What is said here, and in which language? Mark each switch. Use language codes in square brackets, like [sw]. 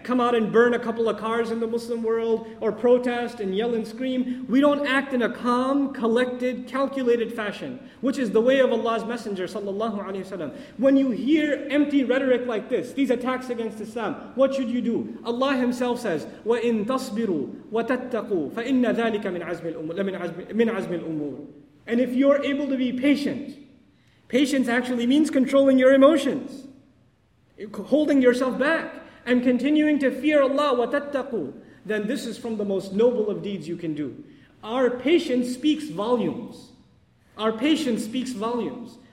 [en] Come out and burn a couple of cars in the Muslim world, or protest and yell and scream. We don't act in a calm, collected, calculated fashion, which is the way of Allah's Messenger, sallallahu alaihi wasallam. When you hear empty rhetoric like this, these attacks against Islam, what should you do? Allah Himself says, [ar] وَإِن تَصْبِرُوا وَتَتَّقُوا فَإِنَّ ذَلِكَ مِنْ عَزْمِ الْأُمُورِ. [en] And if you're able to be patient, patience actually means controlling your emotions, holding yourself back, and continuing to fear Allah, وَتَتَّقُوا, then this is from the most noble of deeds you can do. Our patience speaks volumes. Our patience speaks volumes.